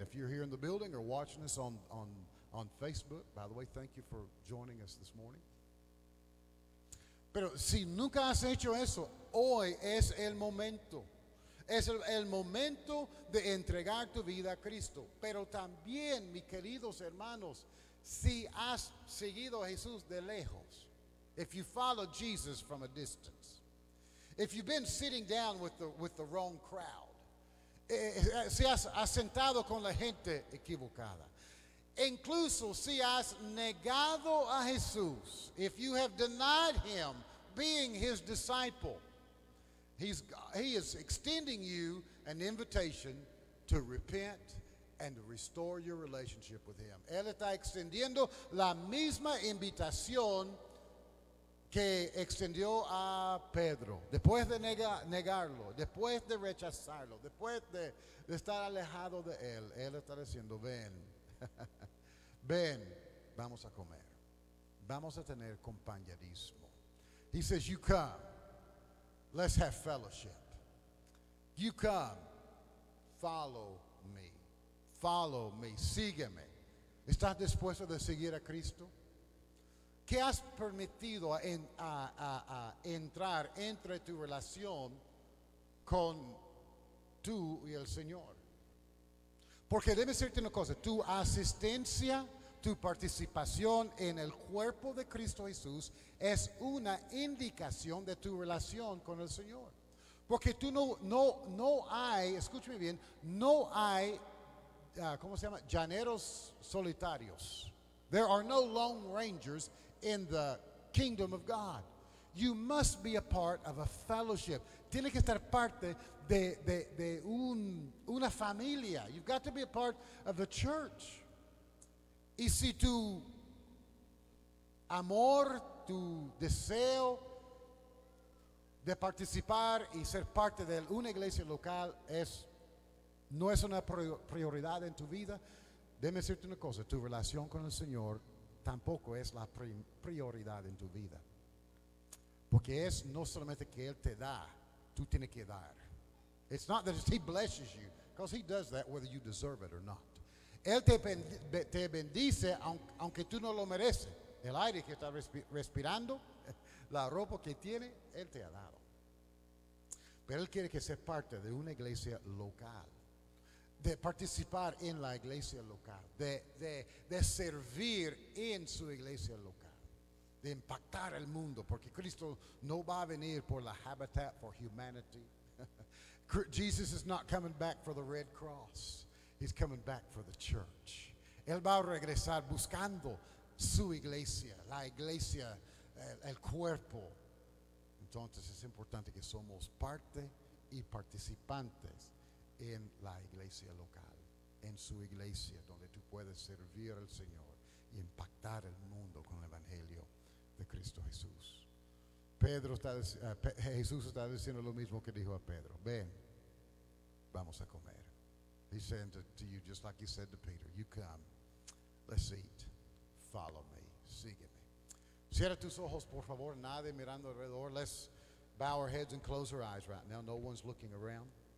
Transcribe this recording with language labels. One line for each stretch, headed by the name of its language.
English: If you're here in the building or watching us on Facebook, by the way, thank you for joining us this morning.
Spanish: Pero si nunca has hecho eso, hoy es el momento. Es el momento de entregar tu vida a Cristo. Pero también, mis queridos hermanos, si has seguido a Jesús de lejos,
English: if you follow Jesus from a distance, if you've been sitting down with the wrong crowd,
Spanish: si has sentado con la gente equivocada, incluso si has negado a Jesús,
English: if you have denied him being his disciple, He is extending you an invitation to repent and to restore your relationship with him.
Spanish: Él está extendiendo la misma invitación que extendió a Pedro. Después de negarlo, después de rechazarlo, después de estar alejado de él, él está diciendo, ven, ven, vamos a comer. Vamos a tener compañerismo.
English: He says, you come. Let's have fellowship. You come, follow me. Follow me,
Spanish: sígueme. ¿Estás dispuesto de seguir a Cristo? ¿Qué has permitido a entrar entre tu relación con tú y el Señor? Porque debe decirte una cosa, tu asistencia, tu participación en el cuerpo de Cristo Jesús es una indicación de tu relación con el Señor. Porque tú no hay, escúchame bien, no hay, ¿cómo se llama? Llaneros solitarios.
English: There are no lone rangers in the kingdom of God. You must be a part of a fellowship.
Spanish: Tiene que estar parte de una familia.
English: You've got to be a part of the church.
Spanish: Y si tu amor, tu deseo de participar y ser parte de una iglesia local no es una prioridad en tu vida, déjame decirte una cosa, tu relación con el Señor tampoco es la prioridad en tu vida. Porque es no solamente que Él te da, tú tienes que dar.
English: It's not that He blesses you, because He does that whether you deserve it or not.
Spanish: Él te bendice aunque tú no lo mereces. El aire que estás respirando, la ropa que tiene, Él te ha dado. Pero Él quiere que seas parte de una iglesia local, de participar en la iglesia local, de servir en su iglesia local, de impactar el mundo, porque Cristo no va a venir por la Habitat for Humanity.
English: Jesus is not coming back for the Red Cross. He's coming back for the church.
Spanish: Él va a regresar buscando su iglesia, la iglesia, el cuerpo. Entonces es importante que somos parte y participantes en la iglesia local, en su iglesia, donde tú puedes servir al Señor y impactar el mundo con el evangelio de Cristo Jesús. Jesús está diciendo lo mismo que dijo a Pedro: ven, vamos a comer.
English: He said to you, just like he said to Peter, you come, let's eat, follow me,
Spanish: sígueme. Cierra tus ojos, por favor, nadie mirando alrededor.
English: Let's bow our heads and close our eyes right now. No one's looking around.